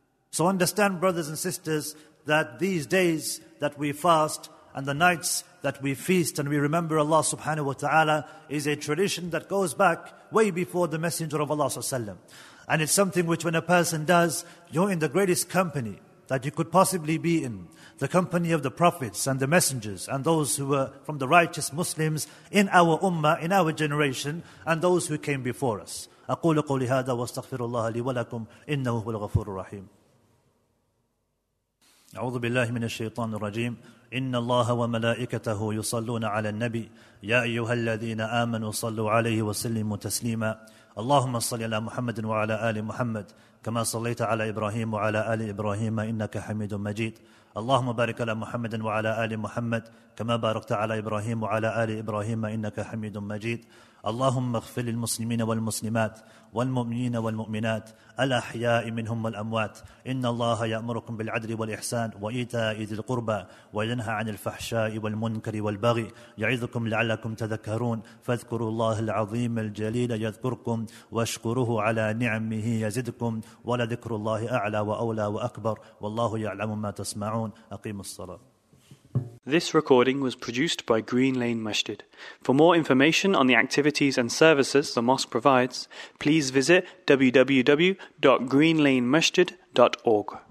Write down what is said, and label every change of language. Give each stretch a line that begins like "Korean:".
English: So understand, brothers and sisters, that these days that we fast and the nights that we feast and we remember Allah subhanahu wa ta'ala is a tradition that goes back way before the Messenger of Allah sallallahu alayhi wa sallam. And it's something which when a person does, you're in the greatest company that you could possibly be in. The company of the prophets and the messengers and those who were from the righteous Muslims in our ummah, in our generation, and those who came before us.
Arabic: أَقُولُ قُولِ هَذَا وَاسْتَغْفِرُ اللَّهَ لِي وَلَكُمْ إِنَّهُ هُوَ الْغَفُورُ الرَّحِيمُ أعوذ بالله من الشيطان الرجيم إن الله وملائكته يصلون على النبي يا أيها الذين آمنوا صلوا عليه وسلموا تسليما اللهم صل على محمد وعلى آل محمد كما صليت على إبراهيم وعلى آل إبراهيم إنك حميد مجيد اللهم بارك على محمد وعلى آل محمد كما باركت على إبراهيم وعلى آل إبراهيم إنك حميد مجيد اللهم اغفر للمسلمين والمسلمات والمؤمنين والمؤمنات الأحياء منهم والأموات إن الله يأمركم بالعدل والإحسان وإيتاء ذي القربى وينهى عن الفحشاء والمنكر والبغي يعظكم لعلكم تذكرون فاذكروا الله العظيم الجليل يذكركم واشكروه على نعمه يزدكم ولذكر الله أعلى وأولى وأكبر والله يعلم ما تسمعون أقيم الصلاة.
English: This recording was produced by Green Lane Masjid. For more information on the activities and services the mosque provides, please visit www.greenlanemasjid.org.